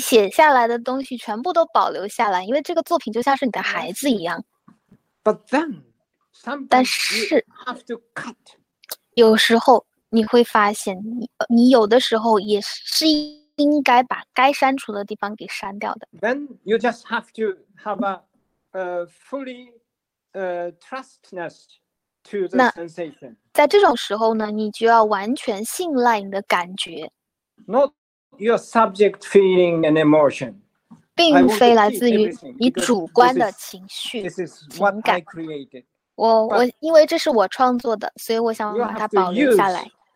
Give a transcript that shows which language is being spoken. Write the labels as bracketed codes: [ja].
[zh] 写下来的东西全部都保留下来，因为这个作品就像是你的孩子一样。 [en] But then, sometimes [zh] 但是 [en] you have to cut. [zh] 有时候你会发现你有的时候也是应该把该删除的地方给删掉的。 [en] Then you just have to have a fully trustness to the sensation. [zh] 在这种时候呢，你就要完全信赖你的感觉。 [en] Not. Your subject feeling and emotion, [zh] 并非来自于你主观的情绪、情感。我因为这是我创作的，所以我想把它保留下来。